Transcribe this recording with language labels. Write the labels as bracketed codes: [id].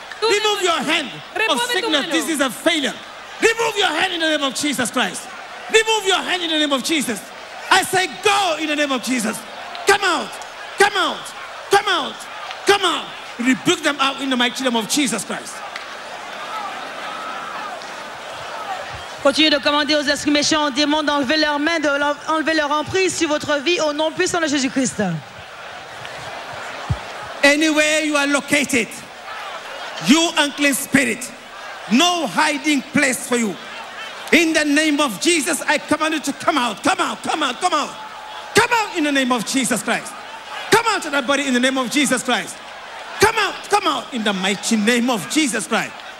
[en] Remove your hand of sickness. This is a failure. Remove your hand in the name of Jesus Christ. Remove your hand in the name of Jesus. I say, go in the name of Jesus. Come out. Rebuke them out in the mighty name of Jesus Christ. [fr] Continuez de commander aux esprits méchants, aux démons d'enlever leurs mains, d'enlever leur emprise sur votre vie au nom puissant de Jésus-Christ. [en] Anywhere you are located, you unclean spirit, no hiding place for you. In the name of Jesus, I command you to come out. Come out in the name of Jesus Christ. Come out of that body in the name of Jesus Christ. Come out in the mighty name of Jesus Christ.